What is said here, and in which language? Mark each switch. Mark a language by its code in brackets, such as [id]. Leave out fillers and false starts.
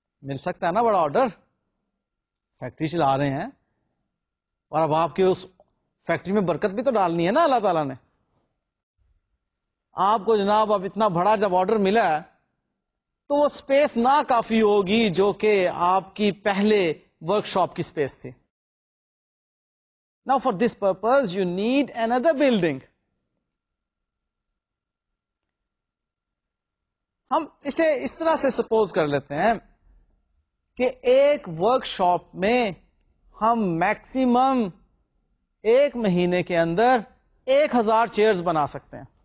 [ur] مل سکتا ہے نا بڑا آرڈر, فیکٹری چلا رہے ہیں اور اب آپ کے اس فیکٹری میں برکت بھی تو ڈالنی ہے نا اللہ تعالیٰ نے. آپ کو جناب اب اتنا بڑا جب آرڈر ملا ہے تو وہ سپیس نہ کافی ہوگی جو کہ آپ کی پہلے ورکشاپ کی سپیس تھی. [en] Now for this purpose you need another building. [ur] ہم اسے اس طرح سے سپوز کر لیتے ہیں کہ ایک ورکشاپ میں ہم میکسیمم ایک مہینے کے اندر 1,000 چیئرز بنا سکتے ہیں.